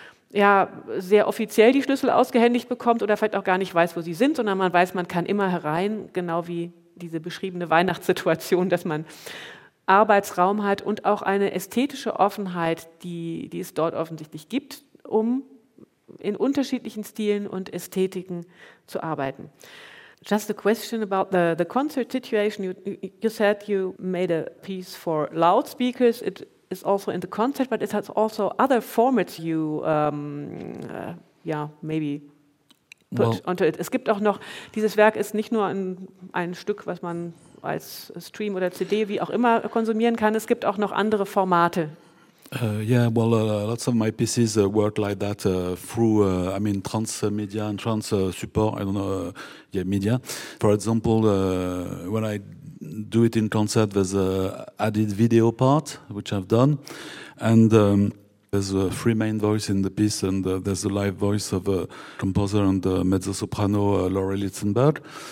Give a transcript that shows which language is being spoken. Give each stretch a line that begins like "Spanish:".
German: ja, sehr offiziell die Schlüssel ausgehändigt bekommt oder vielleicht auch gar nicht weiß, wo sie sind, sondern man weiß, man kann immer herein, genau wie diese beschriebene Weihnachtssituation, dass man Arbeitsraum hat und auch eine ästhetische Offenheit, die es dort offensichtlich gibt, um in unterschiedlichen Stilen und Ästhetiken zu arbeiten.
English: Just a question about the concert situation. You said you made a piece for loudspeakers. It is also in the concert, but it has also other formats you maybe put onto it.
German: Es gibt auch noch, dieses Werk ist nicht nur ein Stück, was man als Stream oder CD, wie auch immer, konsumieren kann. Es gibt auch noch andere Formate.
English: Lots of my pieces work like that through, I mean, transmedia and trans support, I don't know, media. For example, when I do it in concert, there's an added video part, which I've done, and there's three main voices in the piece, and there's a live voice of a composer and mezzo-soprano, Laura Litzenberg.